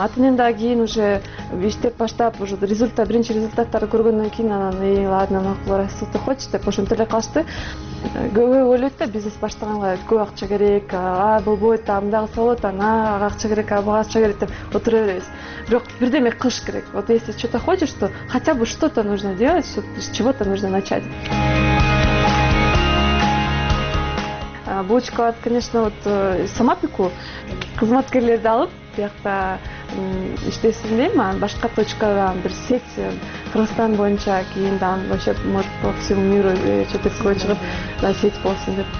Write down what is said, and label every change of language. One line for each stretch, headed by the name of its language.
Kyrgyz: Ата энен дагы кийин уже иштеп баштап,
Russian: уже результат,
Kyrgyz: биринчи результаттарды көргөндөн кийин анан ладно, макул, ырастыкты койчу деп ошентип эле калышты. Көбү ойлойт да, бизнес баштаганга көп акча керек, болбойт, мындагысы болот, ага акча керек, буга акча керек деп отура беребиз. Бирок бирдеме кылыш керек.
Russian: Вот если что-то хочешь, то хотя бы что-то нужно делать, с чего-то нужно начать.
Kyrgyz: Булочка, конечно, вот сама пеку, кызматкерлер алып, биякта иштесин дейм, анан башка точкадан бир сеть Кыргызстан боюнча, кийин дагы
Russian: вообще может по всему миру
Kyrgyz: чет элге чыгып сеть болсун деп.